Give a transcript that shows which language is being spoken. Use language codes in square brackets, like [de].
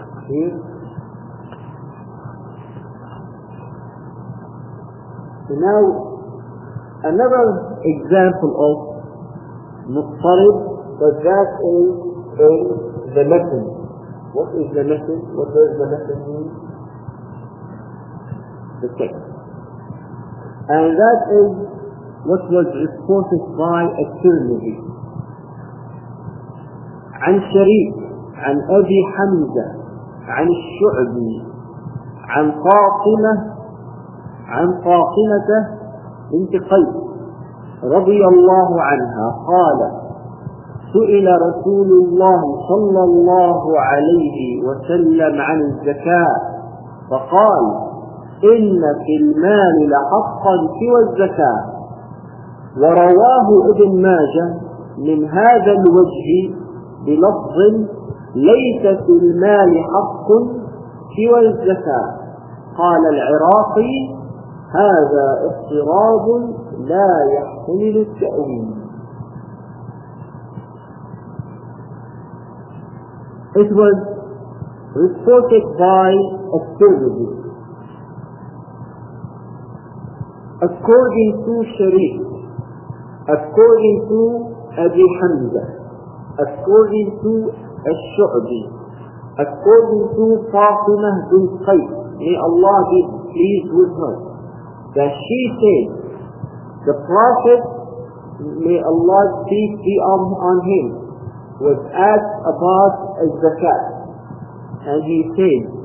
[en] Here, so now another example of muttarib, but that is in the matn. What is the lesson? What does the lesson mean? The text. And that is what was reported by At-Tirmidhi. [ar] عن شريك عن أبي حمزة عن الشعبي عن فاطمة عن فاطمة بنت قيس رضي الله عنها قال: سئل رسول الله صلى الله عليه وسلم عن الزكاة فقال: إن في المال لحقا سوى الزكاة، ورواه ابن ماجه من هذا الوجه بلفظ ليس في المال حق سوى الزكاة. قال العراقي هذا اضطراب لا يحتمل التأويل. [en] It was reported by Al-Tirmidhi. According to Sharif, according to Abi Hamza, according to Al-Shu'bi, according to Fatimah bin Qayt, may Allah be pleased with her, that she said, the Prophet, may Allah speak be on him, was asked about Zakat, and he said